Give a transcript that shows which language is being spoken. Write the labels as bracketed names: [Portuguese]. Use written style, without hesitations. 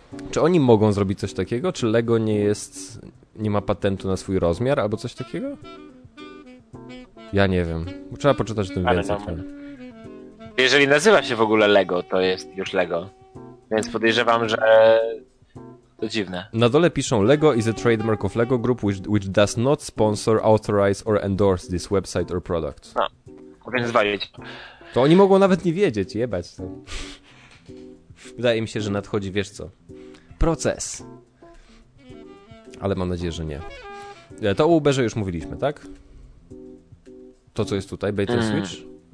[Polish] Czy oni mogą zrobić coś takiego? Czy Lego nie ma patentu na swój rozmiar albo coś takiego? Ja nie wiem. Trzeba poczytać o tym więcej. No, jeżeli nazywa się w ogóle Lego, to jest już Lego. Więc podejrzewam, że to dziwne. Na dole piszą: [English] Lego is a trademark of Lego Group, which does not sponsor, authorize or endorse this website or product. [Polish] No, więc zwalić. To oni mogą nawet nie wiedzieć, jebać to. Wydaje mi się, że nadchodzi, wiesz co, proces. Ale mam nadzieję, że nie. To o Uberze już mówiliśmy, tak? To, co jest tutaj, bait and switch?